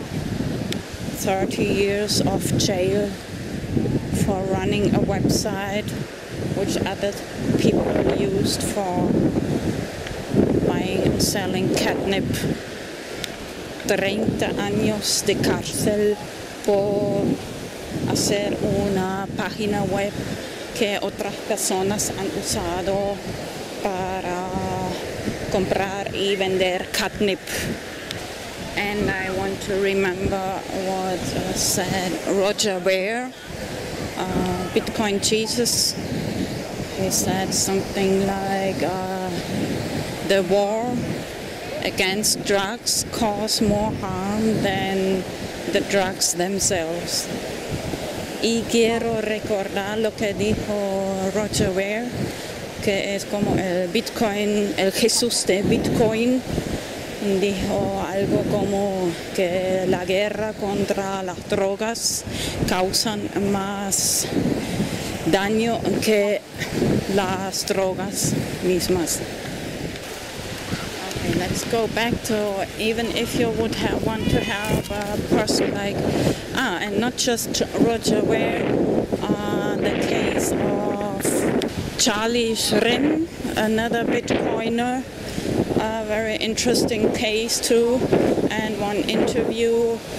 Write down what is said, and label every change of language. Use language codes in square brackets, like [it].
[en] 30 years of jail for running a website which other people used for buying and selling catnip. [es] 30 años de cárcel por hacer una página web que otras personas han usado para comprar y vender catnip. [en] And I want to remember what said Roger Ver, Bitcoin Jesus. He said something like, the war against drugs cause more harm than the drugs themselves. [es] Y quiero recordar lo que dijo Roger Ver, que es como el Bitcoin, el Jesús de Bitcoin. Dijo algo como que la guerra contra las drogas causan más daño que las drogas mismas. [en] Okay, let's go back to, even if you would have, want to have a person like, and not just Roger Ware, the case of Charlie Shrim, another Bitcoiner, a very interesting case too, and one interview.